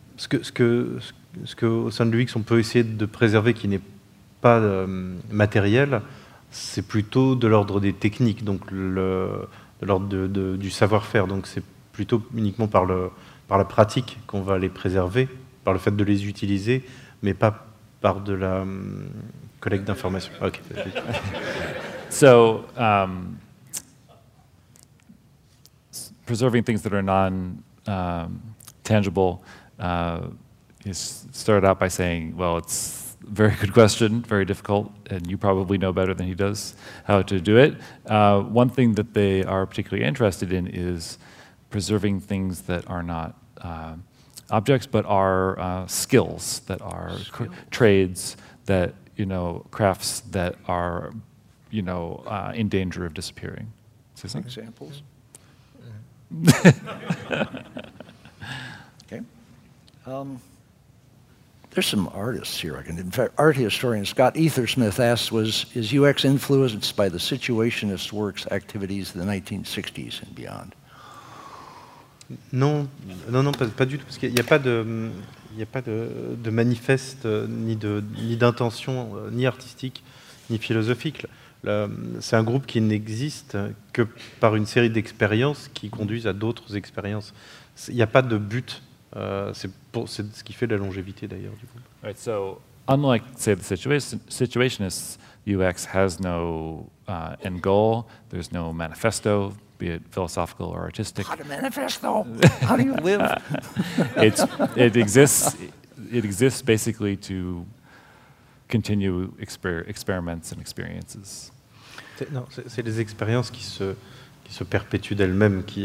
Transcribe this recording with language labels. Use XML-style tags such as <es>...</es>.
<fr>Ce que au sein de l'UX, on peut essayer de préserver qui n'est pas matériel, c'est plutôt de l'ordre des techniques, donc de l'ordre du savoir-faire. Donc c'est plutôt uniquement par la pratique qu'on va les préserver, par le fait de les utiliser, mais pas par de la collecte d'informations.</fr> <en>Okay. So, preserving things that are non-tangible is started out by saying, well, it's a very good question, very difficult, and you probably know better than he does how to do it. One thing that they are particularly interested in is preserving things that are not objects, but are skills that are trades that, you know, crafts that are, you know, in danger of disappearing. Is that examples? Okay. There's some artists here. I can, in fact, art historian Scott Ethersmith asks, is UX influenced by the situationist works activities of the 1960s and beyond?</en> <fr>Non, pas du tout, parce qu'il n'y a pas de manifeste, ni d'intention, ni artistique, ni philosophique. C'est un groupe qui n'existe que par une série d'expériences qui conduisent à d'autres expériences. Il n'y a pas de but. C'est ce qui fait la longévité, d'ailleurs, du coup.</fr> <en>Right, so, unlike, say, the situationist UX has no end goal, there's no manifesto, be it philosophical or artistic. How to manifest, though? How do you live? It exists basically to continue experiments and experiences.</en> <fr>Non, c'est les expériences qui se perpétuent d'elles-mêmes,</fr>